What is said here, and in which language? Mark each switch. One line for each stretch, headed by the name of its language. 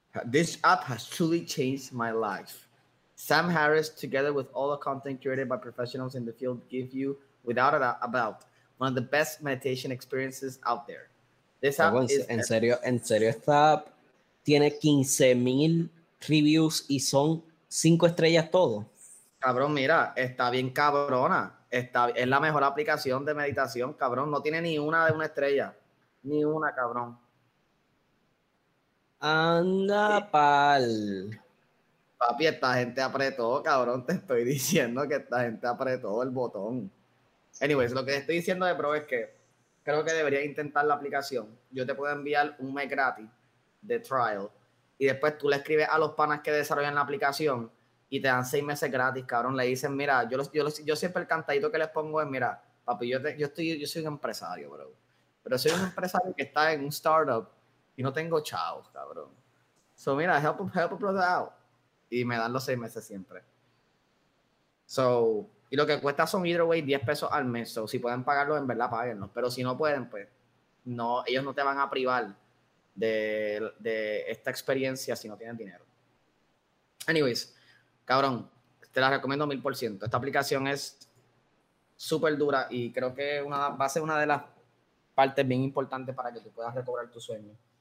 English: This app has truly changed my life. Sam Harris, together with all the content curated by professionals in the field, give you, without a doubt, one of the best meditation experiences out there. This app is
Spanish: En serio, esta app tiene 15,000 reviews y son 5 estrellas todo. Cabrón, mira, está bien cabrona. Es la mejor aplicación de meditación, cabrón. No tiene ni una de una estrella. Ni una, cabrón. Anda, pal. Papi, esta gente apretó, cabrón. Te estoy diciendo que esta gente apretó el botón. Anyways, lo que estoy diciendo de pro es que creo que deberías intentar la aplicación. Yo te puedo enviar un mes gratis de trial. Y después tú le escribes a los panas que desarrollan la aplicación y te dan 6 meses gratis, cabrón. Le dicen, mira, yo siempre el cantadito que les pongo es, mira, papi, yo soy un empresario, bro. Pero soy un empresario que está en un startup y no tengo chavos, cabrón.
English: So,
Spanish: mira,
English: help a brother out.
Spanish: Y me dan los 6 meses siempre. So, y lo que cuesta son,
English: either way,
Spanish: 10 pesos al mes. So, si pueden pagarlo, en verdad, páguenlo. Pero si no pueden, pues, no, ellos no te van a privar de esta experiencia si no tienen dinero. Anyways, cabrón, te la recomiendo 1000%. Esta aplicación es súper dura y creo que va a ser una de las parte bien importante para que tú puedas recobrar tu sueño.